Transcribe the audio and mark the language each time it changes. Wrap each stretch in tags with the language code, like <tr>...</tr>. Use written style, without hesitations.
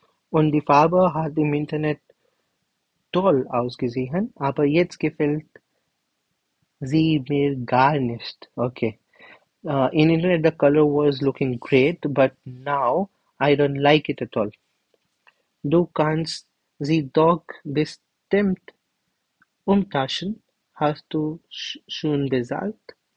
<de>Und die Farbe hat im Internet toll ausgesehen, aber jetzt gefällt sie mir gar nicht.</de> <en>Okay. In Internet the color was looking great, but now I don't like it at all.</en> <de>Du kannst sie doch bestimmt umtauschen, hast du schon gesagt.</de>